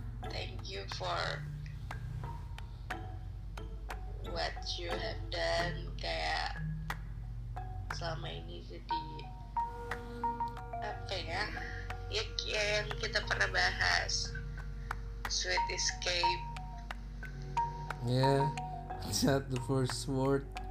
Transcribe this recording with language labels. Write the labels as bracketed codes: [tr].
[en] Thank you for what you have done. [id] Kayak selama ini jadi apa ya, ya yang kita pernah bahas, Sweet Escape. [en] Yeah, is that the first word?